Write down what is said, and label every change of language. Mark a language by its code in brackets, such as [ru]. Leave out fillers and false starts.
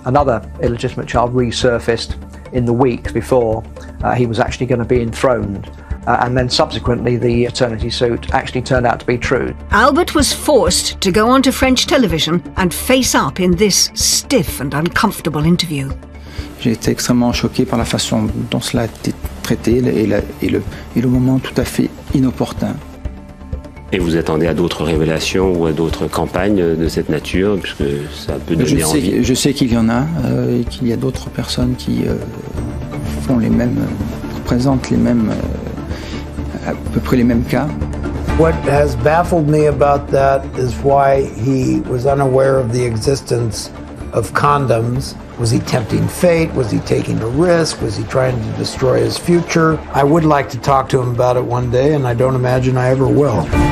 [en] Another illegitimate child resurfaced in the week before he was actually going to be enthroned. And then subsequently, the paternity suit actually turned out to be true. Albert was forced to go onto French television and face up in this stiff and uncomfortable interview. [fr] J'ai été extrêmement choqué par la façon dont cela a été traité et le moment tout à fait inopportun. Et vous attendez à d'autres révélations ou à d'autres campagnes de cette nature, puisque ça peut donner envie. Je sais qu'il y en a et qu'il y a d'autres personnes qui font les mêmes, présentent les mêmes, à peu près les mêmes cas. [en] What has baffled me about that is why he was unaware of the existence of condoms. Was he tempting fate? Was he taking a risk? Was he trying to destroy his future? I would like to talk to him about it one day, and I don't imagine I ever will.